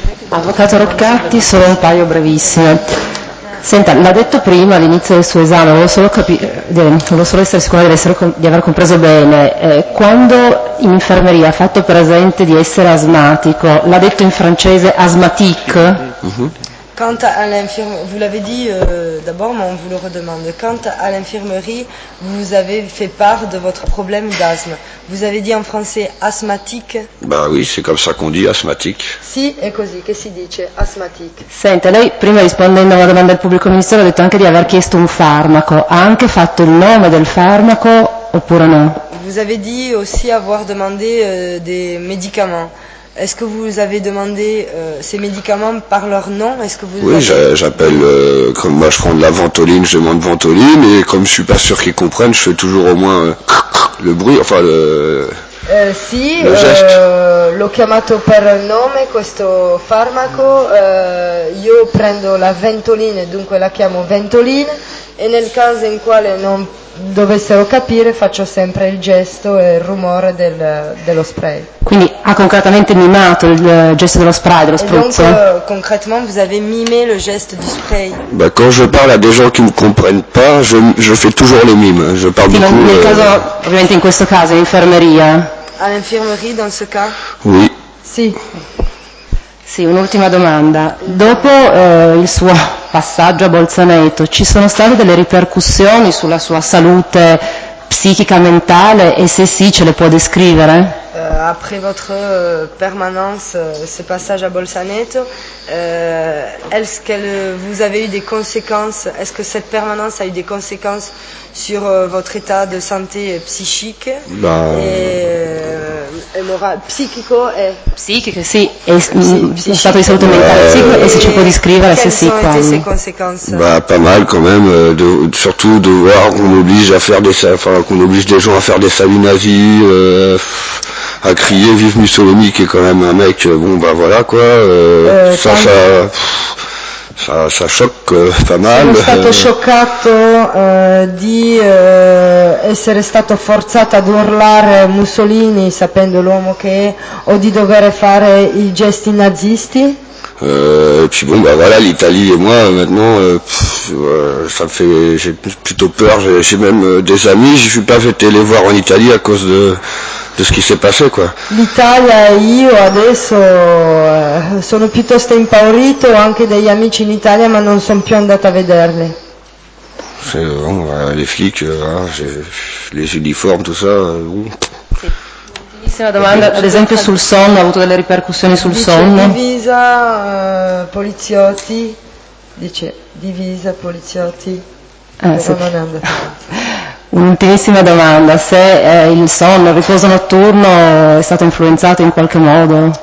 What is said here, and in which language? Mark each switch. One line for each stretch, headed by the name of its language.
Italian: Avvocato Roccatti, solo un paio brevissime. Senta, l'ha detto prima all'inizio del suo esame, volevo solo essere sicura di aver compreso bene. Quando in infermeria ha fatto presente di essere asmatico, l'ha detto in francese asmatique?
French: Quant à l'infirmerie, vous l'avez dit d'abord, mais on vous le redemande. Quant à l'infirmerie, vous avez fait part de votre problème d'asthme. Vous avez dit en français asthmatique. Bah oui, c'est comme ça qu'on dit asthmatique.
Italian: Si, è così che si dice asthmatique. Senta, lei prima rispondendo alla domanda del pubblico ministero ha detto anche di aver chiesto un farmaco. Ha anche fatto il nome del farmaco oppure no?
French: Vous avez dit aussi avoir demandé des médicaments. Est-ce que vous avez demandé ces médicaments par leur nom? Est-ce que vous Oui, j'appelle, comme moi je prends de la Ventoline, je demande Ventoline, et comme je suis pas sûr qu'ils comprennent, je fais toujours au moins le bruit, enfin le...
Italian: Sì, l'ho chiamato per nome questo farmaco, io prendo la Ventoline, dunque la chiamo Ventoline, e nel caso in quale non dovessero capire faccio sempre il gesto e il rumore dello spray. Quindi ha concretamente mimato il gesto dello spray, dello spruzzo?
French: Concretamente vous avez mimé le geste du spray. Beh, quand je parle à des gens qui ne comprennent pas, je fais toujours les mimes, je parle beaucoup.
Italian: Quindi nel caso, ovviamente in questo caso, in infermeria?
French: À l'infirmerie, dans ce cas? Oui.
Italian: Sì. Sì, un'ultima domanda. Dopo il suo passaggio a Bolzaneto, ci sono state delle ripercussioni sulla sua salute psichica, mentale, e se sì, ce le può descrivere?
French: Après votre permanence, ce passage à Bolzaneto, est-ce que vous avez eu des conséquences, est-ce que cette permanence a eu des conséquences sur votre état de santé psychique et morale, psychico et...
Italian: Psychique, si, et stato di salute mentale, psychico, et si ci può descrivere, se si,
French: quand... Quelles sont ces conséquences? Pas mal quand même, surtout de voir qu'on oblige à faire des... Enfin, qu'on oblige des gens à faire des saluts nazis, à crier vive Mussolini, qui est quand même un mec, bon ben voilà quoi, ça choque pas mal.
Italian: Sono stato scioccato di essere stato forzato ad urlare Mussolini, sapendo l'uomo che è, o di dover fare i gesti nazisti.
French: Et puis bon, bah voilà, l'Italie et moi, maintenant, ça me fait, j'ai plutôt peur, j'ai même des amis, je suis pas fait les voir en Italie à cause de ce qui s'est passé, quoi.
Italian: L'Italia e io adesso sono piuttosto impaurito, anche degli amici in Italia, ma non sono più andato a vederli.
French: C'est bon, les flics, les uniformes, tout ça, bon.
Italian: Una domanda, ad esempio sul sonno, ha avuto delle ripercussioni sul sonno? Divisa poliziotti, però non è andata. Un'ultimissima domanda, se il sonno, il riposo notturno è stato influenzato in qualche modo?